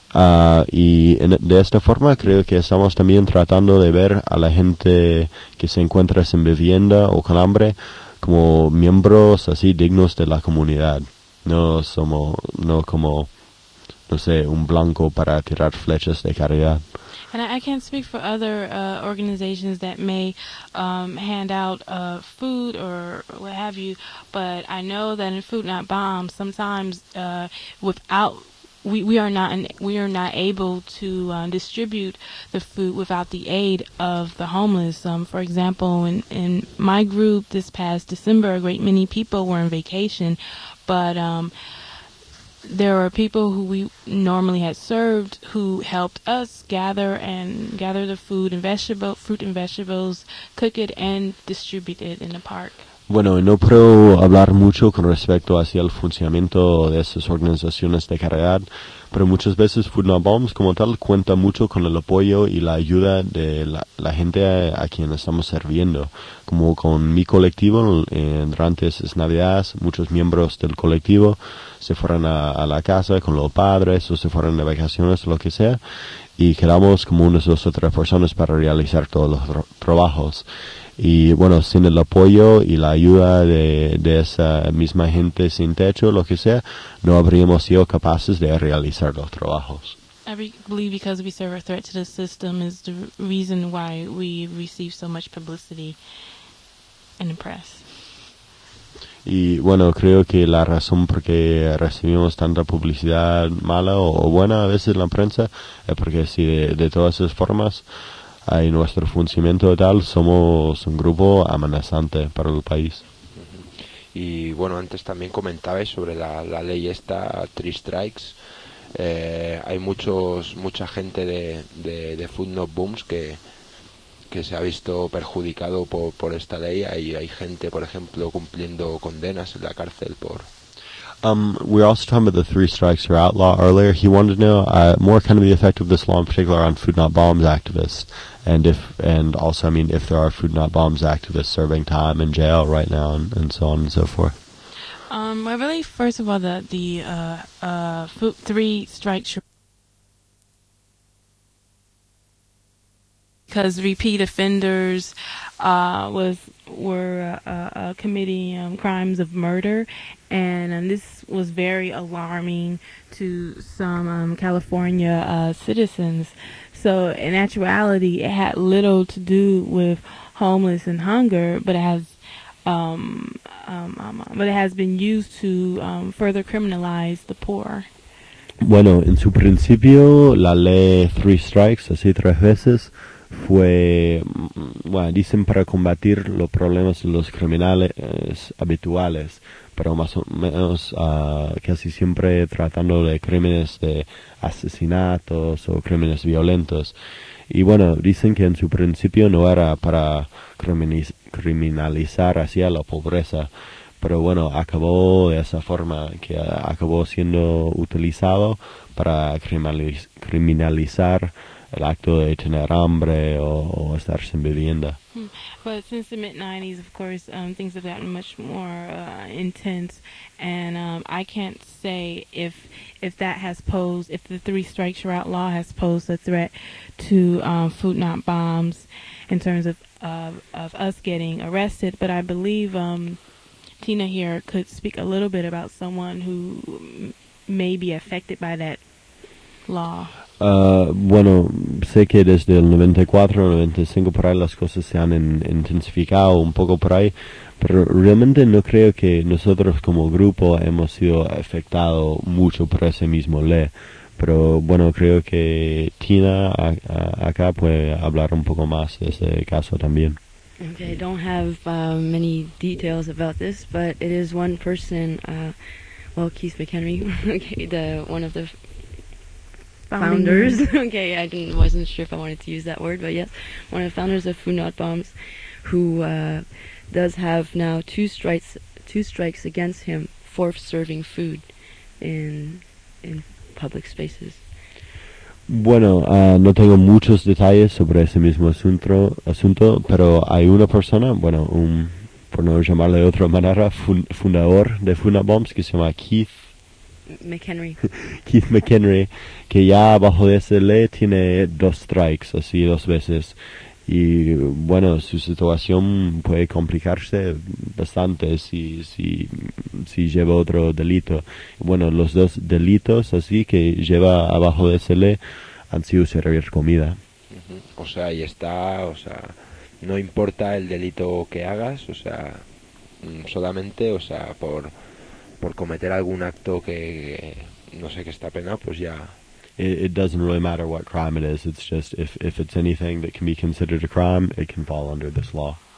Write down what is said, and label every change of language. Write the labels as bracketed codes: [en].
[es] De esta forma creo que estamos también tratando de ver a la gente que se encuentra sin vivienda o con hambre como miembros así dignos de la comunidad. No como un blanco para tirar flechas de caridad. [en] And I can't speak for other organizations that may hand out food or what have you, but I know that in Food Not Bombs, sometimes we are not able to distribute the food without the aid of the homeless. For example, in my group this past December, a great many people were on vacation, but there are people who we normally had served who helped us gather the food and fruit and vegetables, cook it and distribute it in the park. [es] Bueno, no puedo hablar mucho con respecto hacia el funcionamiento de esas organizaciones de caridad, pero muchas veces Food Not Bombs como tal cuenta mucho con el apoyo y la ayuda de la gente a quien estamos sirviendo. Como con mi colectivo, durante esas navidades, muchos miembros del colectivo se fueron a la casa con los padres o se fueron de vacaciones o lo que sea, y quedamos como unas dos o tres personas para realizar todos los trabajos. Y bueno, sin el apoyo y la ayuda de esa misma gente sin techo, lo que sea, no habríamos sido capaces de realizar los trabajos. [en] I believe because we serve a threat to the system is the reason why we receive so much publicity in the press. [es] Y bueno, creo que la razón por qué recibimos tanta publicidad mala o buena a veces en la prensa es porque si de todas esas formas hay nuestro funcionamiento tal, somos un grupo amenazante para el país. Y bueno, antes también comentabais sobre la ley esta, Three Strikes. Hay mucha gente de Food Not Bombs que se ha visto perjudicado por esta ley. Hay gente, por ejemplo, cumpliendo condenas en la cárcel por... [en] We were also talking about the Three Strikes or Outlaw earlier. He wanted to know more kind of the effect of this law in particular on Food Not Bombs activists. And also, if there are Food Not Bombs activists serving time in jail right now and so on and so forth. I believe, first of all, the Three Strikes... Because repeat offenders were committing crimes of murder, and this was very alarming to some California citizens. So in actuality, it had little to do with homeless and hunger, but it has been used to further criminalize the poor. [es] Bueno, en su principio, la ley Three Strikes, así tres veces. Fue, bueno, dicen para combatir los problemas de los criminales habituales, pero más o menos casi siempre tratando de crímenes de asesinatos o crímenes violentos. Y bueno, dicen que en su principio no era para criminalizar hacia la pobreza, pero bueno, acabó de esa forma, que acabó siendo utilizado para criminalizar el acto de tener hambre o estar sin vivienda. [en] But since the mid-90s, of course, things have gotten much more intense, and I can't say if that has posed, if the three strikes you're outlaw has posed a threat to food not bombs in terms of us getting arrested, but I believe Tina here could speak a little bit about someone who may be affected by that law. [es] Bueno, sé que desde el 94 o 95 por ahí las cosas se han intensificado un poco por ahí, pero realmente no creo que nosotros como grupo hemos sido afectados mucho por ese mismo ley. Pero bueno, creo que Tina acá puede hablar un poco más de ese caso también. [en] Okay, I don't have many details about this, but it is one person, Keith McHenry, okay, one of the founders. Okay, wasn't sure if I wanted to use that word, but yes, one of the founders of Food Not Bombs, who does have now two strikes against him for serving food in public spaces. [es] Bueno, no tengo muchos detalles sobre ese mismo asunto, pero hay una persona, bueno, por no llamarle de otra manera, fundador de Food Not Bombs, que se llama Keith McHenry, que ya bajo esa ley tiene dos strikes, así dos veces. Y bueno, su situación puede complicarse bastante si lleva otro delito. Bueno, los dos delitos así que lleva abajo de esa ley han sido servir comida. Uh-huh. O sea, ahí está, o sea, no importa el delito que hagas, o sea, solamente, o sea, por cometer algún acto que no sé qué está pena, pues ya. [en] It doesn't really matter what crime it is. It's just if it's anything that can be considered a crime, it can fall under this law.